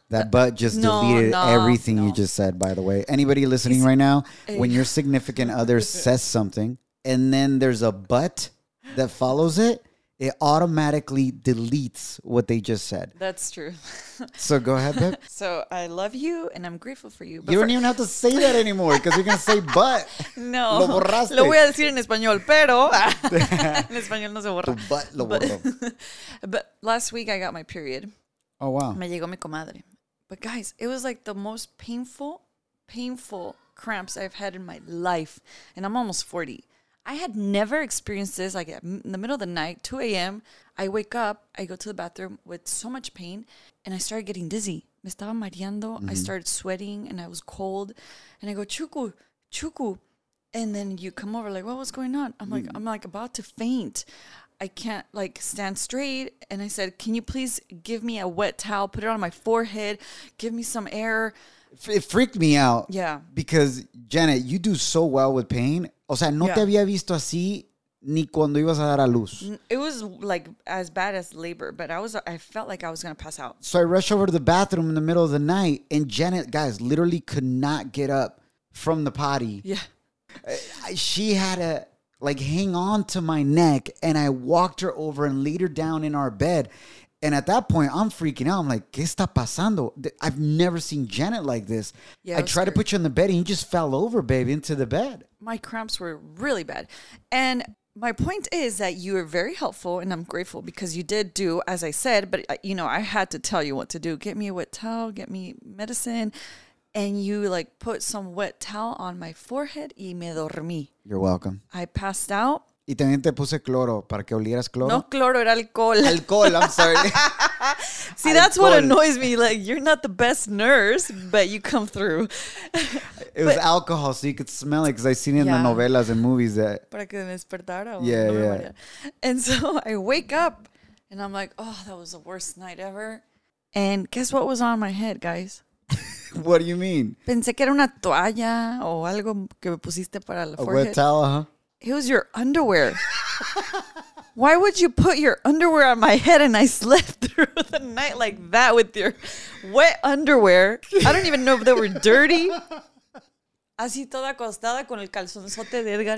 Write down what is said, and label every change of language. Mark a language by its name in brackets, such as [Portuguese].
[English] That deleted everything you just said, by the way. Anybody listening right now, when your significant other says something and then there's a but that follows it, it automatically deletes what they just said. That's true. So go ahead, babe. So I love you and I'm grateful for you. But you don't even have to say that anymore because you're going to say but. No. [Spanish] Lo borraste. Lo voy a decir en español, pero en español no se borra. But lo borro. [English] But last week I got my period. Oh, wow. [Spanish] Me llegó mi comadre. [English] But guys, it was like the most painful cramps I've had in my life. And I'm almost 40. I had never experienced this. Like in the middle of the night, 2 a.m., I wake up, I go to the bathroom with so much pain, and I started getting dizzy. [Spanish] Me estaba mareando. [English] Mm-hmm. I started sweating, and I was cold. And I go, Chuku, Chuku. And then you come over, like, well, what's going on? I'm like about to faint. I can't, like, stand straight. And I said, can you please give me a wet towel, put it on my forehead, give me some air? It freaked me out. Yeah. Because, Janet, you do so well with pain. [Spanish] O sea, no te había visto así ni cuando ibas a dar a luz. [English] It was like as bad as labor, but I felt like I was going to pass out. So I rushed over to the bathroom in the middle of the night, and Janet, guys, literally could not get up from the potty. Yeah. She had to, like, hang on to my neck, and I walked her over and laid her down in our bed. And at that point, I'm freaking out. I'm like, [Spanish] ¿qué está pasando? [English] I've never seen Janet like this. Yeah, I tried to put you on the bed and you just fell over, babe, into the bed. My cramps were really bad. And my point is that you are very helpful and I'm grateful because you did do, as I said, but you know, I had to tell you what to do. Get me a wet towel, get me medicine. And you like put some wet towel on my forehead [Spanish] y me dormí. [English] You're welcome. I passed out. [Spanish] Y también te puse cloro para que olieras cloro. No cloro, era alcohol. [English] Alcohol, I'm sorry. See, alcohol. That's what annoys me. Like, you're not the best nurse, but you come through. It was alcohol, so you could smell it, because I've seen it in the novelas and movies. That, [Spanish] para que despertara. [English] Yeah. And so I wake up, and I'm like, oh, that was the worst night ever. And guess what was on my head, guys? What do you mean? [Spanish] Pensé que era una toalla o algo que me pusiste para la forehead. [English] A wet towel, huh? It was your underwear. Why would you put your underwear on my head and I slept through the night like that with your wet underwear? I don't even know if they were dirty. [Spanish] Así toda acostada con el calzonzote de Edgar.